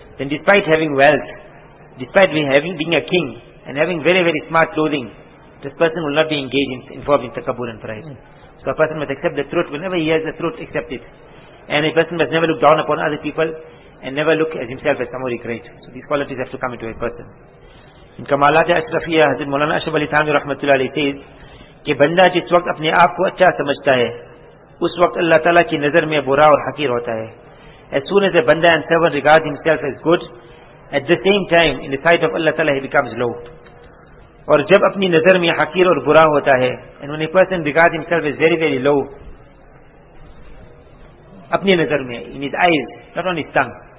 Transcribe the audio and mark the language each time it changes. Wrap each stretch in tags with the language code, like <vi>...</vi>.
<en>Then despite having wealth, despite being a king and having very, very smart clothing, this person will not be involved in takabbur and pride. So a person must accept the truth. Whenever he has the truth, accept it. And a person must never look down upon other people and never look at himself as somebody great. So these qualities have to come into a person. In Kamalat Ashrafiya, Hazrat Maulana Ashraf Ali Thani Rahmatullah Ali says</en> <ur>کہ بندہ جس وقت اپنے آپ کو اچھا سمجھتا ہے اس وقت اللہ تعالیٰ کی نظر میں برا اور حقیر ہوتا ہے.</ur> <en>As soon as a bandha and servant regards himself as good, at the same time in the sight of Allah Ta'ala he becomes low.</en> <ur>اور جب اپنی نظر میں حقیر اور برا ہوتا ہے,</ur> <en>and when a person regards himself as very, very low,</en> <ur>اپنی نظر میں,</ur> <en>in his eyes, not on his tongue.</en>